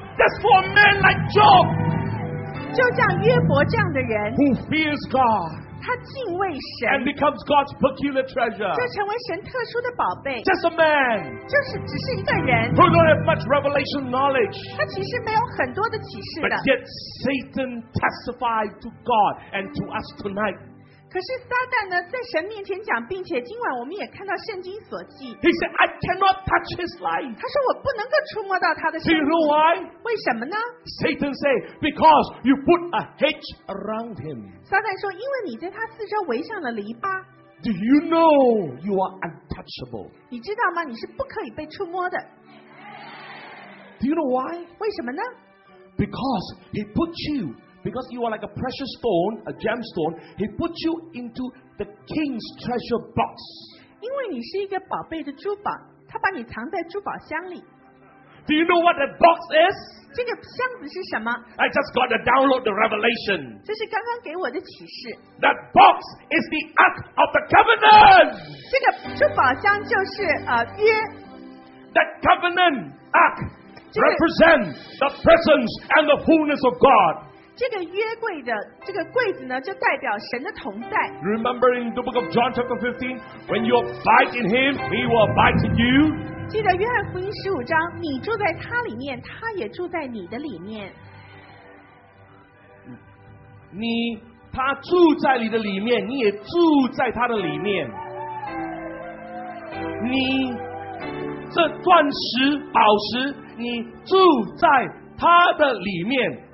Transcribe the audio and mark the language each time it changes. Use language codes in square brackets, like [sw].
[en] That's for a man like Job. [zh] 就像约伯这样的人。 [en] Who fears God. [zh] 他敬畏神 [en] and becomes God's peculiar treasure. [zh] 就成为神特殊的宝贝 [en] Just a man. [zh] 就是只是一个人 [en] Who don't have much revelation knowledge. [zh] 他其实没有很多的启示的 [en] But yet Satan testified to God and to us tonight. [zh] 可是撒旦呢在神面前讲并且今晚我们也看到圣经所记 [en] He said I cannot touch his life. [zh] 他说我不能够触摸到他的生命 [en] Do you know why? [zh] 为什么呢 [en] Satan said because you put a hedge around him. [zh] 撒旦说：“因为你在他四周围上了篱笆。” [en] Do you know you are untouchable? [zh] 你知道吗？你是不可以被触摸的。 [en] Do you know why? [zh] 为什么呢？ [en] Because he put you, because you are like a precious stone, a gemstone. He put you into the king's treasure box. [zh] 因为你是一个宝贝的珠宝，他把你藏在珠宝箱里。 [en] Do you know what that box is? [zh] 这个箱子是什么？ [en] I just got to download the revelation. [zh] 这是刚刚给我的启示。 [en] That box is the Ark of the Covenant. [zh] 这个珠宝箱就是约。 [en] That covenant Ark. represent the presence and the fullness of God. [zh] 这个柜子呢, [en] Remember in the book of John chapter 15, when you abide in him, he will abide in you. [zh] 记得约翰福音15章, 你住在他里面, 他也住在你的里面。你, 他住在你的里面, 你也住在他的里面。你, 这钻石, 宝石, 你住在他的里面。